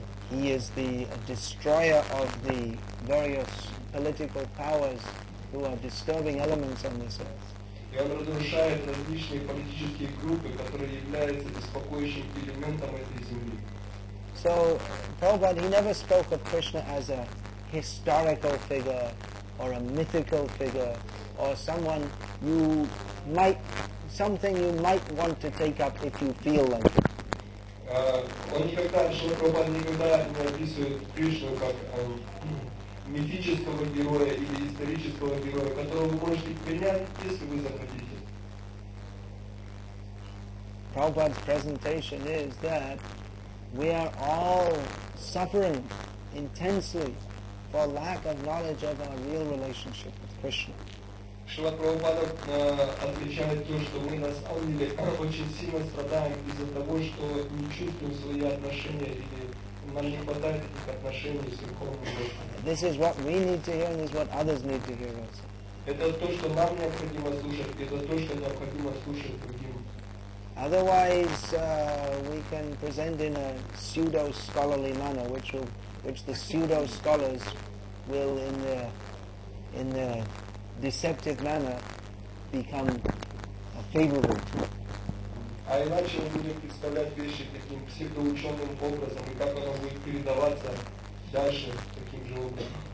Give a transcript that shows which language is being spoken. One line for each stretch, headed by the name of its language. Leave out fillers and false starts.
English: He is the destroyer of the various political powers who are disturbing elements on this earth.
Russian: И он разрушает различные политические группы, которые являются беспокоящим элементом этой земли.
English: So, Prabhupada, he never spoke of Krishna as a historical figure, or a mythical figure, or someone you might, something you might want to take up if you feel like it.
Russian: Он никогда, Шрила Прабхупада никогда не описывает Кришну как мифического героя или исторического героя, которого вы можете принять, если вы захотите.
English: Prabhupada's presentation is that we are all suffering intensely for lack of knowledge of our real relationship with Krishna.
Russian: Шрила Прабхупада отвечает то, что мы на самом деле очень сильно страдаем из-за того, что не чувствуем свои отношения или нам не хватает этих отношений с Верховным Господом.
English: This is what we need to hear and this is what others need to hear also.
Russian: Это то, что нам необходимо слушать, это то, что необходимо слушать другим.
English: Otherwise, we can present in a pseudo-scholarly manner, which the pseudo-scholars will, in their deceptive manner, become favorable to.
Russian: А иначе мы будем представлять вещи таким псевдоученым образом, и как оно будет передаваться дальше таким же образом.